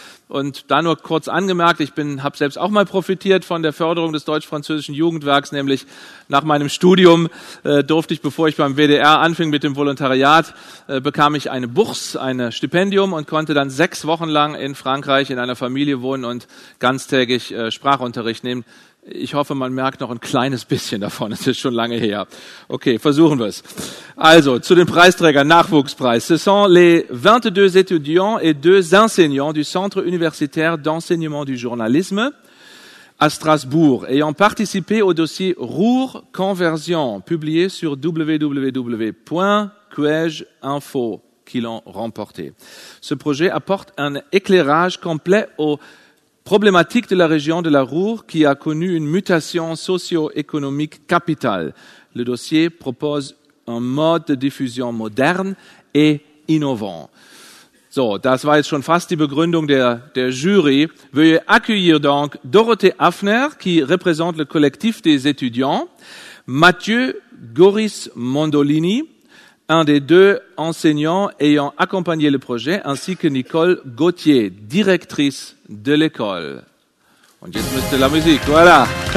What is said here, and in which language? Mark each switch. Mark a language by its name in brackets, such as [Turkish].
[German] Und da nur kurz angemerkt, habe selbst auch mal profitiert von der Förderung des deutsch-französischen Jugendwerks, nämlich nach meinem Studium durfte ich, bevor ich beim WDR anfing mit dem Volontariat, bekam ich eine Bourse, ein Stipendium und konnte dann 6 Wochen lang in Frankreich in einer Familie wohnen und ganztägig Sprachunterricht nehmen. Ich hoffe, man merkt noch ein kleines bisschen davon. Es ist schon lange her. Okay, versuchen wir es. Also, zu den Preisträgern, Nachwuchspreis. [French] Ce sont les 22 étudiants et 2 enseignants du Centre universitaire d'enseignement du journalisme à Strasbourg ayant participé au dossier Ruhr Conversion publié sur www.quège-info qui l'ont remporté. Ce projet apporte un éclairage complet au problématique de la région de la Ruhr qui a connu une mutation socio-économique capitale. Le dossier propose un mode de diffusion moderne et innovant. [German] So, das war jetzt schon fast die Begründung der Jury. [French] Veuillez accueillir donc Dorothée Hafner, qui représente le collectif des étudiants, Mathieu Goris-Mondolini, un des 2 enseignants ayant accompagné le projet, ainsi que Nicole Gauthier, directrice de l'école. [German] Und jetzt müsste [French] la musique, voilà.